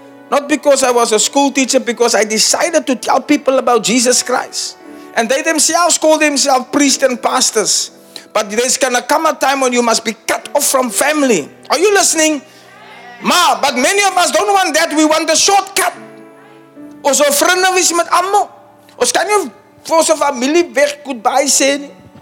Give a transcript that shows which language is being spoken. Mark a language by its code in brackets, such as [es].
[en] Not because I was a school teacher, because I decided to tell people about Jesus Christ. And they themselves call themselves priests and pastors. But there's going to come a time when you must be cut off from family. Are you listening? Ma, but many of us don't want that. We want the shortcut. [af] Ons vriende wees met almal. Ons kan nie vir ons familie weg goodbye sê nie.